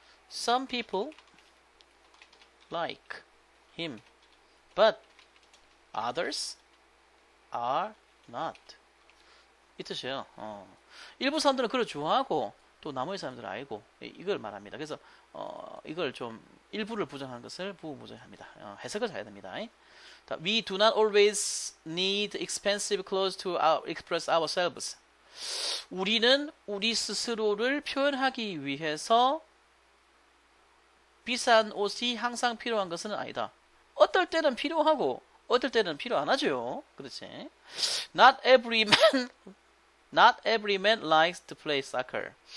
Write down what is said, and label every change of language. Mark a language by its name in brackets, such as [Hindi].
[English] Some people like him, but others are not. [Korean] 이 뜻이에요. 일부 사람들은 그를 좋아하고 또 나머지 사람들은 아니고 이걸 말합니다. 그래서 이걸 좀 일부를 부정하는 것을 부분 부정합니다. 해석을 잘해야 됩니다. [English] We do not always need expensive clothes to express ourselves. [Korean] 우리는 우리 스스로를 표현하기 위해서 비싼 옷이 항상 필요한 것은 아니다. 어떨 때는 필요하고 어떨 때는 필요 안 하죠. 그렇지? [English] Not every man likes to play soccer.